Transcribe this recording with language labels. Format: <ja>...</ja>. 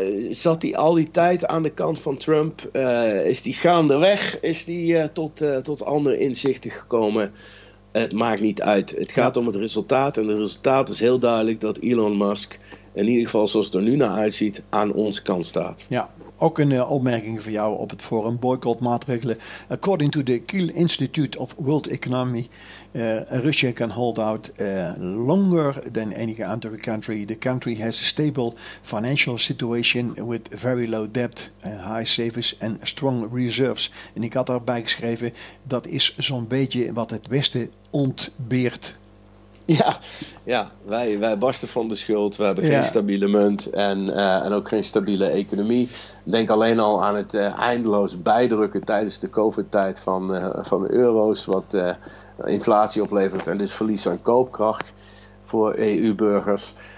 <nl>Zat hij al die tijd aan de kant van Trump? Is die gaandeweg? Is die tot andere inzichten gekomen? Het maakt niet uit. Het gaat om het resultaat. En het resultaat is heel duidelijk dat Elon Musk, in ieder geval zoals het er nu naar uitziet, aan onze kant staat. Ja. Ook een opmerking van jou op het forum. Boycott maatregelen.</nl> <en>According to the Kiel Institute of World Economy, Russia can hold out longer than any other country. The country has a stable financial situation with very low debt, high savings and strong reserves.</en> <nl>En ik had daarbij geschreven, dat is zo'n beetje wat het Westen ontbeert. Ja, wij barsten van de schuld. We hebben geen stabiele munt en ook geen stabiele economie. Denk alleen al aan het eindeloos bijdrukken tijdens de COVID-tijd van euro's, wat inflatie oplevert en dus verlies aan koopkracht voor EU-burgers.</nl>